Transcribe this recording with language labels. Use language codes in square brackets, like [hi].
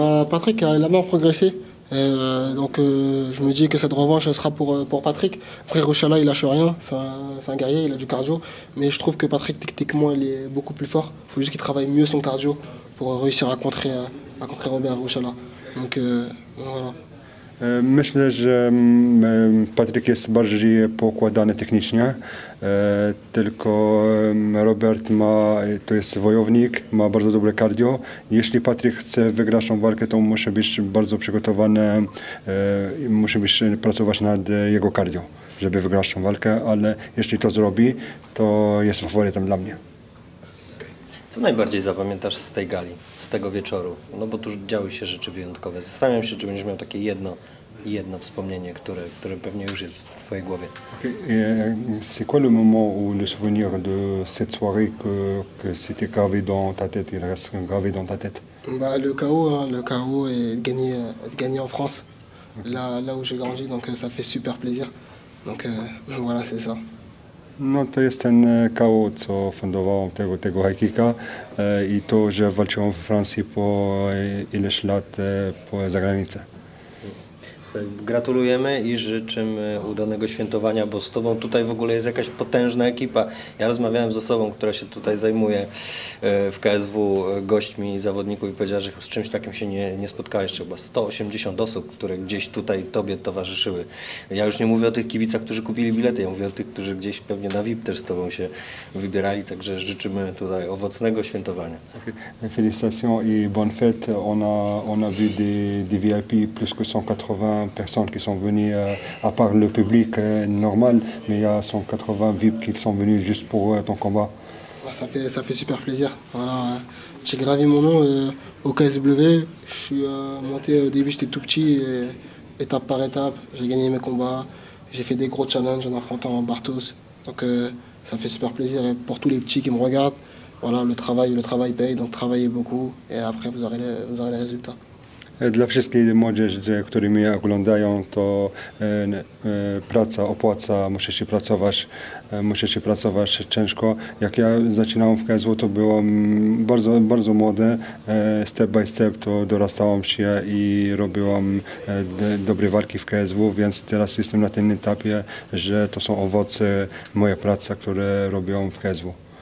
[fr] Patrick a largement progressé, donc je me dis que cette revanche sera pour Patrick. Après Rochala, il lâche rien, c'est un guerrier, il a du cardio. Mais je trouve que Patrick, techniquement, il est beaucoup plus fort. Il faut juste qu'il travaille mieux son cardio pour réussir à contrer Robert Rochala. Donc voilà. [pl] Myślę, że Patryk jest bardziej poukładany technicznie, tylko Robert to jest wojownik, ma bardzo dobre cardio. Jeśli Patryk chce wygrać tą walkę, to musi być bardzo przygotowany i musi pracować nad jego cardio. żeby wygrać tą walkę, ale jeśli to zrobi, to jest faworytem dla mnie. Co najbardziej zapamiętasz z tej gali, z tego wieczoru? No bo tu działy się rzeczy wyjątkowe. Zastanawiam się, czy będziesz miał takie jedno wspomnienie, które pewnie już jest w twojej głowie. [fr] C'est quoi le moment ou le souvenir de cette soirée que c'était gravé dans ta tête, il reste gravé dans ta tête? Bah le chaos et de gagner en France. Là où j'ai grandi, donc ça fait super plaisir. Donc voilà, c'est ça. [pl] No to jest ten KO, co fundowałem tego high kicka i to, że walczyłem w Francji po ileś lat za granicę. Gratulujemy i życzymy udanego świętowania, bo z tobą tutaj w ogóle jest jakaś potężna ekipa. Ja rozmawiałem z osobą, która się tutaj zajmuje w KSW gośćmi i zawodników i powiedziała, że z czymś takim się nie spotkała jeszcze. Chyba 180 osób, które gdzieś tutaj tobie towarzyszyły. Ja już nie mówię o tych kibicach, którzy kupili bilety, ja mówię o tych, którzy gdzieś pewnie na VIP też z tobą się wybierali. Także życzymy tutaj owocnego świętowania. Okay. [fr] Félicitations i bonne fête. On a vu des VIP plus que 180 personnes qui sont venues, à part le public normal, mais il y a 180 VIP qui sont venus juste pour ton combat. Ça fait super plaisir. Voilà, j'ai gravé mon nom au KSW. Je suis monté au début, j'étais tout petit, étape par étape. J'ai gagné mes combats, j'ai fait des gros challenges en affrontant Bartos. Donc ça fait super plaisir. Et pour tous les petits qui me regardent, voilà, le travail paye, donc travaillez beaucoup et après vous aurez les résultats. [pl] Dla wszystkich młodzieży, którzy mnie oglądają, to praca opłaca, musisz pracować ciężko. Jak ja zaczynałem w KSW, to byłem bardzo, bardzo młody, [en] step by step, [pl] to dorastałem się i robiłem dobre walki w KSW, więc teraz jestem na tym etapie, że to są owoce mojej pracy, które robiłem w KSW.